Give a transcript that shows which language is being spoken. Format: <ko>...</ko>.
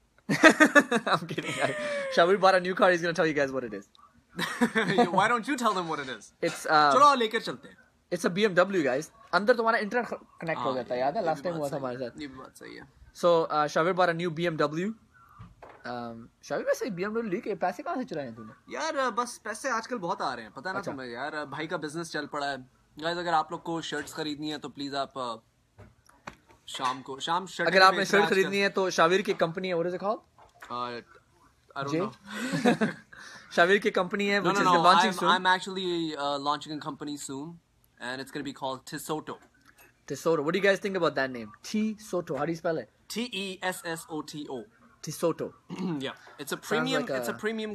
<en>I'm kidding. Shall we bought a new car? He's gonna tell you guys what it is. Why don't you tell them what it is? It's</en> <hi>chalo lekar chalte hain.</hi> <en>It's a BMW, guys. Under the one internet connect</en> <hi>ho jata hai. Yaad hai</hi> <en>last time</en> <hi>hua tha hamare saath.</hi> <en>So Shavir bought a new BMW.</en> <hi>Shavir वैसे BMW लेके पैसे कहाँ से चुराए हैं तूने? यार बस पैसे आजकल बहुत आ रहे हैं. पता ना तुम्हें यार भाई का business चल पड़ा है. Guys अगर आप लोग को shirts खरीदनी है तो please आप शाम को शाम अगर आपने शर्ट खरीदनी है तो शाविर की कंपनी है.</hi> <en>What is it called? I don't know.</en> <hi>शाविर की कंपनी है</hi> <en>which is launching soon. I'm actually launching a company soon and it's going to be called Tissoto. Tissoto. What do you guys think about that name? Tissoto. How do you spell it? Tessoto. Tissoto. Yeah. It's a premium</en>